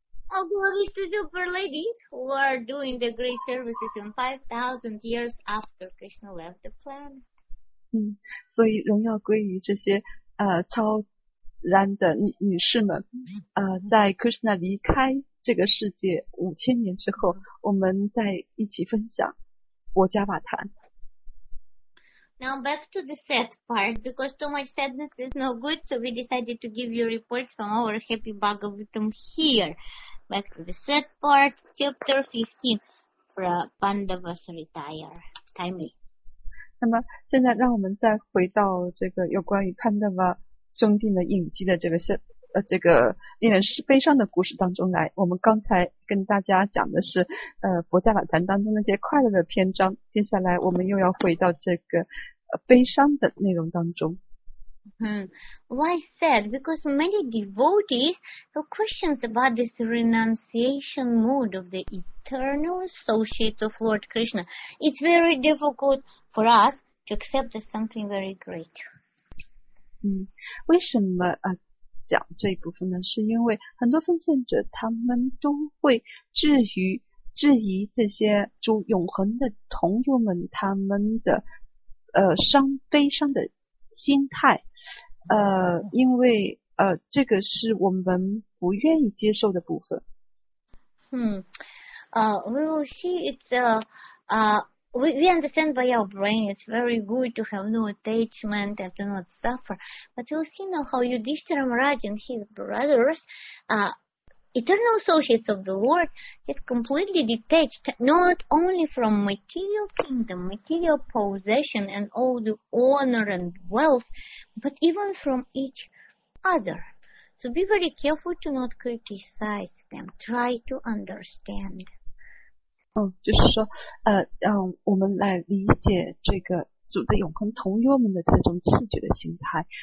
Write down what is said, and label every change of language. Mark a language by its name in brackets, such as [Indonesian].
[English] All glory to super ladies who are doing the great services in 5,000 years after Krishna left the planet. [Chinese] 所以荣耀归于这些超然的女士们。在 Krishna 离开这个世界5000年之后，我们再一起分享佛家瓦坛。 [English] Now back to the sad part, because too much sadness is no good, so we decided to give you a report from our happy Bhagavatam here. Back to the sad part, chapter 15, for Pandavas retire. Timely. [Chinese] 那么现在让我们再回到这个有关于 Pandava 兄弟的隐居的这个这个令人悲伤的故事当中来。我们刚才跟大家讲的是佛家法坛当中那些快乐的篇章，接下来我们又要回到这个悲伤的内容当中。 [English] Why sad? Because many devotees have questions about this renunciation mode of the eternal associate of Lord Krishna. It's very difficult for us to accept as something very great. [Chinese] 为什么讲这一部分呢？是因为很多奉献者他们都会质疑这些主永恒的同友们他们的悲伤的心态，因为这个是我们不愿意接受的部分。 [English] We will see it's we understand by our brain it's very good to have no attachment and to not suffer, but we'll see now how Yudhishthira Maharaj and his brothers, eternal associates of the Lord, get completely detached not only from material kingdom, material possession and all the honor and wealth, but even from each other. So be very careful to not criticize them. Try to understand. [Chinese] 就是说让我们来理解这个主的永恒同友们的这种气绝的心态。